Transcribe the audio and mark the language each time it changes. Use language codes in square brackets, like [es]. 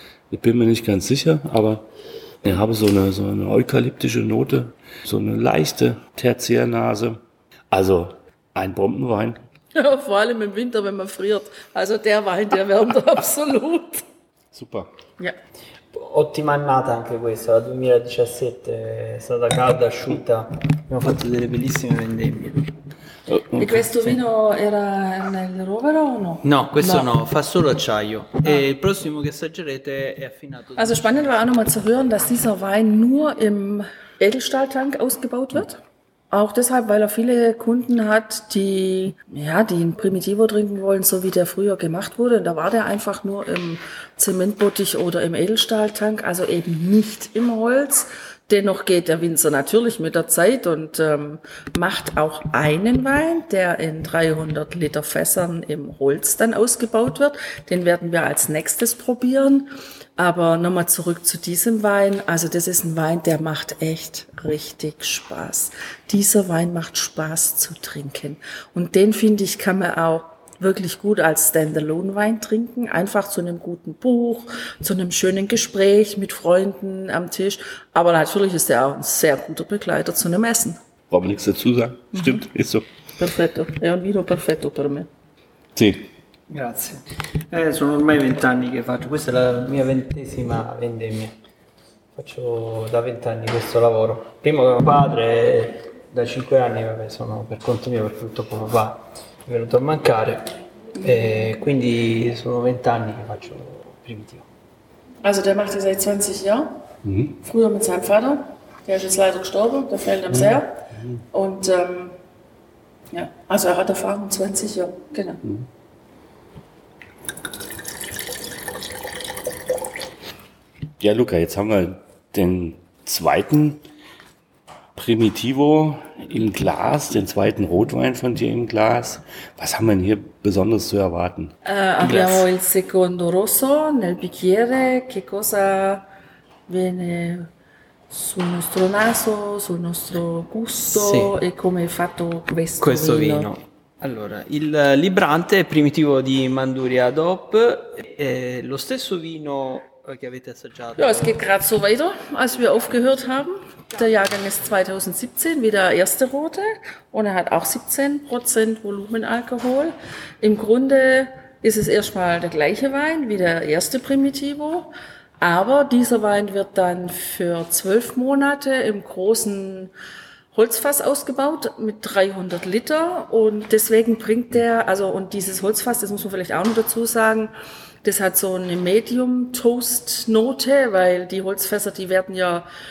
[de] Ich bin mir nicht ganz sicher, aber ich habe so eine eukalyptische Note, so eine leichte Tertiärnase. Also ein Bombenwein. Ja, vor allem im Winter, wenn man friert. Also der Wein, der wärmt absolut. Super. Ja. [it] Ottima annata anche questa, 2017 è stata calda, asciutta. Abbiamo fatto delle bellissime vendemmie. E questo vino era nel rovero o no? No, questo no, fa solo acciaio. E il prossimo che assaggerete è affinato. [de] Also spannend war auch nochmal zu hören, dass dieser Wein nur im Edelstahltank ausgebaut wird. Auch deshalb, weil er viele Kunden hat, die ihn Primitivo trinken wollen, so wie der früher gemacht wurde. Da war der einfach nur im Zementbottich oder im Edelstahltank, also eben nicht im Holz. Dennoch geht der Winzer natürlich mit der Zeit und macht auch einen Wein, der in 300 Liter Fässern im Holz dann ausgebaut wird. Den werden wir als nächstes probieren. Aber nochmal zurück zu diesem Wein. Also das ist ein Wein, der macht echt richtig Spaß. Dieser Wein macht Spaß zu trinken. Und den, finde ich, kann man auch wirklich gut als Standalone-Wein trinken. Einfach zu einem guten Buch, zu einem schönen Gespräch mit Freunden am Tisch. Aber natürlich ist er auch ein sehr guter Begleiter zu einem Essen. Brauchen wir nichts dazu sagen. Stimmt, ist so. [it] Perfetto. È un vino perfetto per me. Sì. Grazie. Sono ormai 20 anni che faccio. Questa è la mia 20ª vendemmia. Faccio da 20 anni questo lavoro. Primo mio padre, da 5 anni, vabbè, sono per conto mio, per tutto come va. È venuto a mancare, quindi sono 20 anni che faccio Primitivo. [de] Also der macht er seit 20 Jahren, früher mit seinem Vater, der ist jetzt leider gestorben, der fehlt ihm sehr. Und ja, also er hat Erfahrung, 20 Jahre, genau. Ja, Luca, jetzt haben wir den zweiten Primitivo im Glas, den zweiten Rotwein von dir im Glas. Was haben wir denn hier besonders zu erwarten? [it] Abbiamo il secondo rosso nel bicchiere. Che cosa viene sul nostro naso, sul nostro gusto, sì, e come è fatto questo vino? Vino. Allora, il Librante è primitivo di Manduria DOP, è lo stesso vino che avete assaggiato. [de] Ja, es geht gerade so weiter, als wir aufgehört haben. Der Jahrgang ist 2017, wieder erste Rote, und hat auch 17% Volumenalkohol. Im Grunde ist es erstmal der gleiche Wein wie der erste Primitivo, aber dieser Wein wird dann für 12 Monate im großen Holzfass ausgebaut mit 300 Liter und deswegen bringt der, also, und dieses Holzfass, das muss man vielleicht auch noch dazu sagen, das hat so eine Medium-Toast-Note, weil die Holzfässer, die werden ja